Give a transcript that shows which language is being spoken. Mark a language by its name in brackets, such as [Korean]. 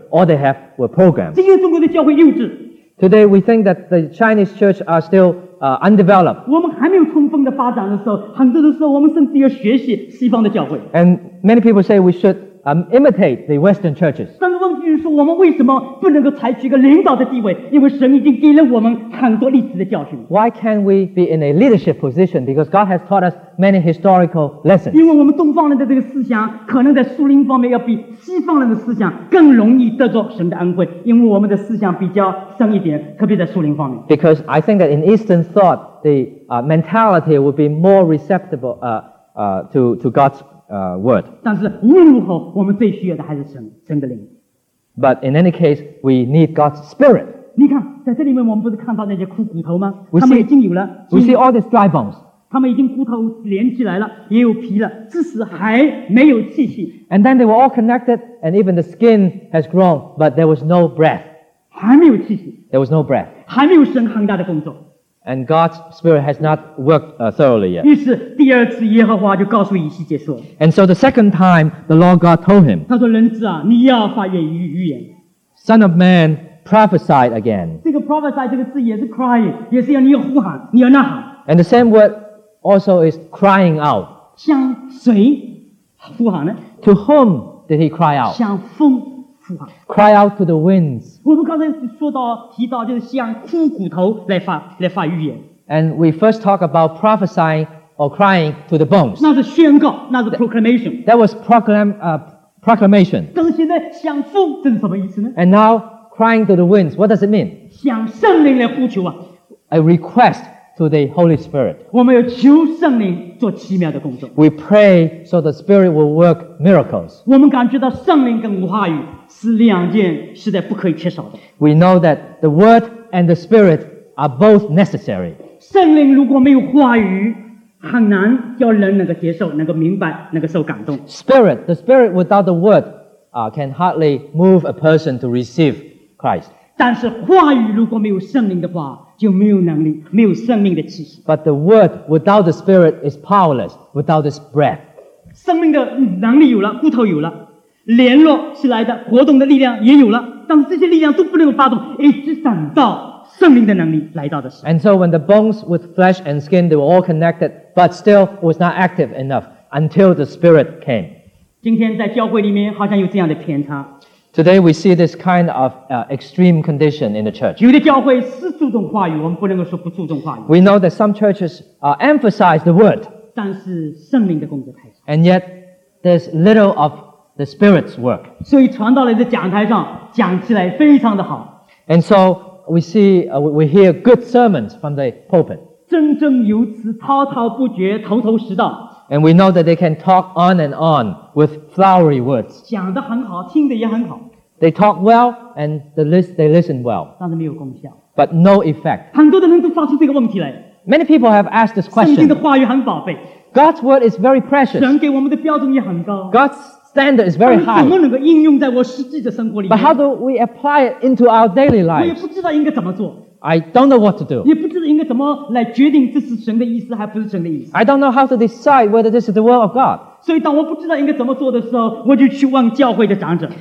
[English] All they have were programs. [Chinese] 今天中国的教会幼稚。 [English] Today we think that the Chinese church are still undeveloped. [Chinese] 我们还没有充分的发展的时候，很多的时候我们甚至要学习西方的教会。 [English] And many people say we should imitate the Western churches. [Chinese] 但是问题是说，我们为什么不能够采取一个领导的地位？因为神已经给了我们很多历史的教训。 [English] Why can't we be in a leadership position? Because God has taught us many historical lessons. [Chinese] 因为我们东方人的这个思想，可能在属灵方面要比西方人的思想更容易得着神的恩惠，因为我们的思想比较深一点，特别在属灵方面。 [English] Because I think that in Eastern thought, the mentality would be more receptive to God's word. [Chinese] 但是无论如何，我们最需要的还是神的灵。 [English] But in any case, we need God's spirit. [Chinese] 你看，在这里面我们不是看到那些枯骨头吗？他们已经有了。 [English] We see all these dry bones. [Chinese] 他们已经骨头连起来了，也有皮了，只是还没有气息。 [English] And then they were all connected, and even the skin has grown, but there was no breath. [Chinese] 还没有气息。 [English] There was no breath. [Chinese] 还没有神很大的工作。 [English] And God's spirit has not worked thoroughly yet. [Chinese] 于是第二次耶和华就告诉以西结说。 [English] And so the second time, the Lord God told him. [Chinese] 他说：“人子啊，你要发言于预言。” [English] Son of man, prophesied again. [Chinese] 这个 prophesy 这个字也是 crying, 也是要你要呼喊，你要呐喊。 [English] And the same word also is crying out. [Chinese] 向谁？呼喊呢 [English] ？To whom did he cry out？ [Chinese] 向风呼喊。 [English] Cry out to the winds。 [Chinese] 我们刚才说到提到就是向枯骨头来发预言。 [English] And we first talk about prophesying or crying to the bones。 [Chinese] 那是宣告，那是 proclamation。 [English] That was proclamation。 [Chinese] 但是现在向风这是什么意思呢 [English] ？And now crying to the winds, what does it mean？ [Chinese] 向圣灵来呼求啊。 [English] A request to the Holy Spirit. [Chinese] 我们要求圣灵做奇妙的工作。 [English] We pray so the Spirit will work miracles. [Chinese] 我们感觉到圣灵跟话语是两件实在不可以缺少的。 [English] We know that the Word and the Spirit are both necessary. [Chinese] 圣灵如果没有话语，很难叫人能够接受、能够明白、能够受感动。 [English] Spirit, the Spirit without the Word, can hardly move a person to receive Christ. [Chinese] 但是话语如果没有圣灵的话，就没有能力，没有生命的气息。 [English] But the word without the spirit is powerless, without its breath. [Chinese] 生命的能力有了，骨头有了，联络起来的活动的力量也有了，但是这些力量都不能够发动，一直等到生命的能力来到的时候。 [English] And so when the bones with flesh and skin, they were all connected, but still was not active enough until the spirit came. [Chinese] 今天在教会里面好像有这样的偏差。 [English] Today we see this kind of extreme condition in the church. [Chinese] 有的教会是注重话语，我们不能够说不注重话语。 [English] We know that some churches emphasize the word. [Chinese] 但是圣灵的工作太少。 [English] And yet there's little of the Spirit's work. [Chinese] 所以传道人在讲台上讲起来非常的好。 [English] And so we see we hear good sermons from the pulpit. [Chinese] 铮铮有词，滔滔不绝，头头是道。 [English] And we know that they can talk on and on with flowery words. [Chinese] 讲得很好，听得也很好。 [English] They talk well and they listen well. [Chinese] 但是没有功效。 [English] But no effect. [Chinese] 很多的人都发出这个问题来。 [English] Many people have asked this question. [Chinese] 圣经的话语很宝贝。 [English] God's word is very precious. [Chinese] 神给我们的标准也很高。 [English] God's standard is very high. [Chinese] 怎么能够应用在我实际的生活里面？ [English] But how do we apply it into our daily life? [Chinese] 我也不知道应该怎么做。 [English] I don't know what to do. [Chinese] 也不知道应该怎么来决定这是神的意思还不是神的意思。 [English] I don't know how to decide whether this is the will of God. [Chinese] 所以当我不知道应该怎么做的时候，我就去问教会的长者。